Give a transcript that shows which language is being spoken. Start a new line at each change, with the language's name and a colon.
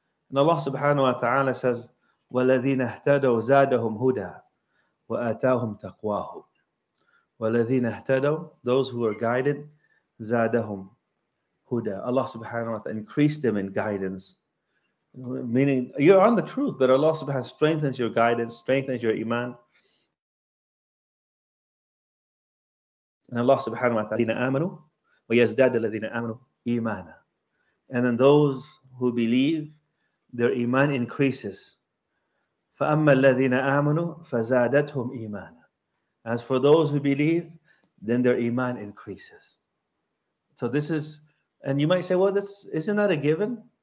English: And Allah subhanahu wa ta'ala says,
Arabic: وَالَذِينَ اهْتَدَوْا زَادَهُمْ هُدَى وَآتَاهُمْ تَقْوَاهُ وَالَذِينَ اهْتَدَوْا,
English: those who are guided,
Arabic: زَادَهُمْ هُدَى.
English: Allah subhanahu wa ta'ala increased them in guidance. Meaning, you're on the truth, but Allah subhanahu wa ta'ala strengthens your guidance, strengthens your iman. And Allah subhanahu wa ta'ala,
Arabic: الَّذِينَ آمَنُوا وَيَزْدَادَ الَّذِينَ آمَنُوا إِيمَانًا.
English: And then those who believe, their iman increases.
Arabic: فَأَمَّا الَّذِينَ آمَنُوا فَزَادَتْهُمْ إِيمَانًا.
English: As for those who believe, then their iman increases. So this is, and you might say, well, this isn't that a given?